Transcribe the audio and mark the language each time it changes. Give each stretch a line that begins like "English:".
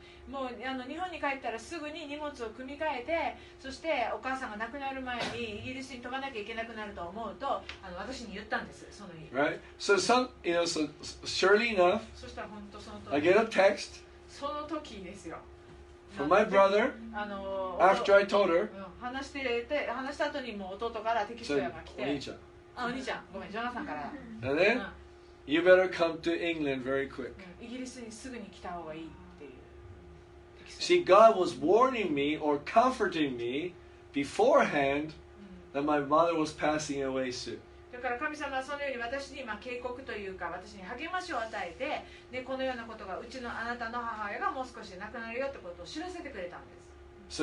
Japanese: もう日本に帰ったらすぐに荷物を組み替えて、そしてお母さんが亡くなる前にイギリスに飛ばなきゃいけなくなると思うと、私に言ったんです、その日。
English: Right? So some, you know, so surely enough,
Japanese: そしたら本当その時、
English: I get a text,
Japanese: その時ですよ。
English: From my brother, after I told her,
Japanese: 話した後にもう弟からテキストが来て、お兄ちゃん。お兄ちゃん、ごめん、ジョナサンから。
English: And then, you better come to England very quick.
Japanese: イギリスにすぐに来た方がいい。
English: See, God was warning me or comforting me beforehand that my mother was passing away soon.
Japanese: で、だから神様はそのように私に警告というか私に励ましを与えて、でこのようなことがうちのあなたの母親がもう少しで亡くなるよってことを知らせてくれたんです。